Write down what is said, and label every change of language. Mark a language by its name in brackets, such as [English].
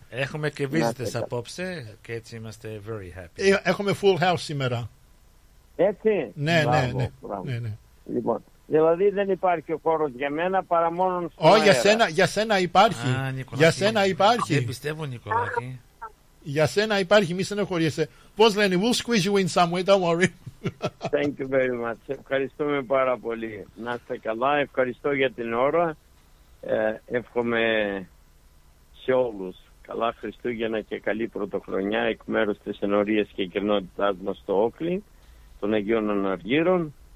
[Greek] Έχουμε και βίζιτες απόψε και έτσι είμαστε [English] very happy. [Greek] Έχουμε [English] full house [Greek] σήμερα. Έτσι. Ναι. Λοιπόν, δηλαδή δεν υπάρχει ο χώρος για μένα παρά μόνο στον αέρα. Για σένα υπάρχει. Για σένα υπάρχει. Δεν πιστεύω, Νικολάκη. Για σένα υπάρχει, μη στενοχωριέσαι. Πώς λένε, [English] we'll squeeze you in some way, don't worry. Thank you very much. [Greek] Ευχαριστούμε πάρα πολύ. Να είστε καλά, ευχαριστώ για την ώρα. Εύχομαι σε όλους καλά Χριστούγεννα και καλή Πρωτοχρονιά εκ μέρους της ενορίας και κοινότητάς μας στο Όκλι, των Αγίων Αναργύρων.